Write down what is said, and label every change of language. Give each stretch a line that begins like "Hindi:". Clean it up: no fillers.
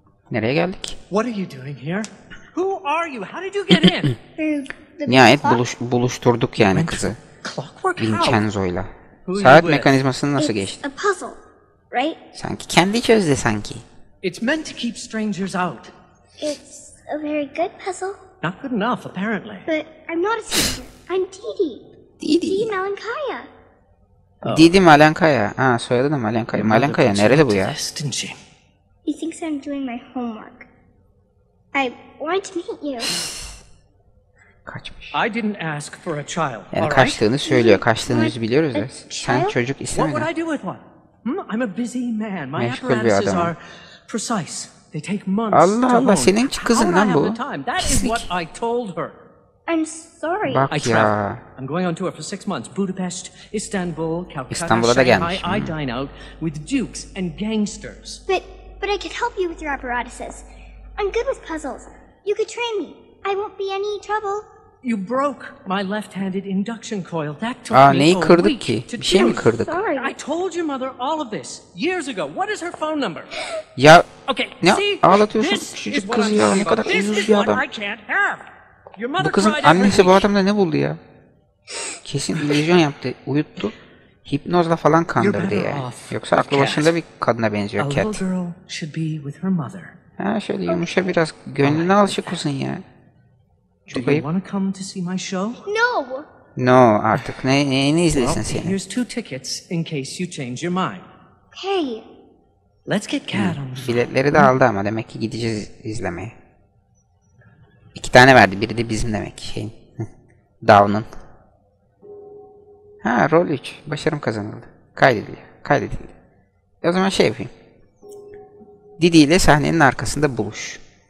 Turkish: Nereye geldik?
English: What are you doing here? Who are you? How did you get in?
Turkish: Nihayet buluşturduk yani kızı. Vincenzo'yla. Saat mekanizmasını nasıl geçti?
English: It's a puzzle, right?
Turkish: Sanki kendi çözdü sanki.
English: It's meant to keep strangers out. It's a very good puzzle. Not good enough, apparently. But I'm not a stranger. I'm Didi. Didi. Didi Malenkaya.
Turkish: Didi Malenkaya. Ha, soyadı da Malenkaya. Malenkaya nereli bu ya?
English: He thinks I'm doing my homework. I want to meet you.
Turkish: Kaçmış.
English: I didn't ask for a child.
Turkish: Yani kaçtığını söylüyor. Kaçtığınızı biliyoruz ya. Sen çocuk istemedin.
English: What would I do with one? I'm a busy man. My apparatuses are precise. They take months.
Turkish: Allah Allah, senin kızın lan bu.
English: That is what I told her. I'm sorry.
Turkish: Bak ya.
English: I'm going on tour for 6 months. Budapest, Istanbul, Calcutta, Shanghai. I dine out with dukes and gangsters. But I could help you with your apparatuses. I'm good with puzzles. You could train me. I won't be any trouble. You broke my left-handed induction coil. That took
Turkish: Neyi kırdık?
English: Sorry. I told your mother all of this years ago. What is her phone number?
Turkish: Ya.
English: Okay.
Turkish: Ne?
English: See,
Turkish: ağlatıyorsun. Küçücük kız ya. Ne kadar üzücü bir adam.
English: I can't have. Your mother
Turkish: bu kızın
English: cried
Turkish: annesi bu adamda ne buldu ya? Kesin illüzyon yaptı. Uyuttu. Hipnozla falan kandırdı ya. Yoksa aklı başında bir kadına benziyor Cat.
English: A little girl should be with her mother.
Turkish: Ha, şöyle yumuşa biraz. Gönlüne al şu kuzun ya. Çok ayıp.
English: Do you want to come to see my show? No.
Turkish: No, artık ne izlesin seni.
English: Here's two tickets in case you change your mind. Hey. Let's get Cat on the phone.
Turkish: Biletleri de aldı ama demek ki gideceğiz izlemeye. İki tane verdi. Biri de bizim demek. Şey. Down'ın. Ha, rol 3. Başarım kazanıldı. Kaydediliyor. Kaydedildi. O zaman şey yapayım. Didi ile sahnenin arkasında buluş.